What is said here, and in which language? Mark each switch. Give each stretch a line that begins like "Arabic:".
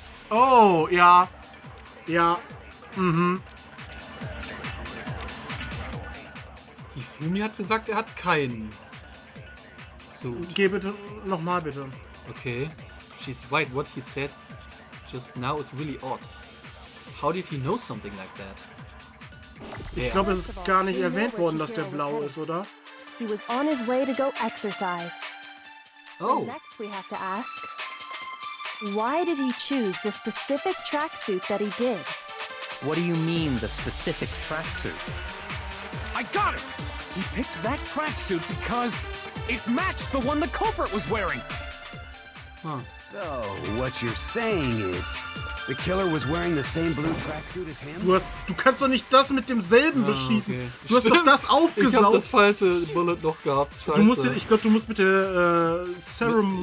German: Oh, ja. Ja. Mhm. Yumi hat gesagt, er hat keinen. So. Geh bitte nochmal bitte.
English: Okay. She's right. What he said just now is really odd. How did he know something like that? Yeah.
German: Ich glaube, es ist gar nicht erwähnt worden, dass der blau ist, oder?
English: He was on his way to go exercise. So oh. Next we have to ask, why did he choose the specific tracksuit that he did? What do you mean, the specific tracksuit? I got it! He picked that tracksuit because it matched the one the culprit was wearing. Huh. So, what you're saying is, the killer was wearing the same blue tracksuit as him?
German: Du kannst doch nicht das mit demselben beschießen. Okay. Du hast doch das aufgesaugt. Ich hab das falsche Bullet noch gehabt. Scheiße. Du musst, ich glaube, du musst mit der Serum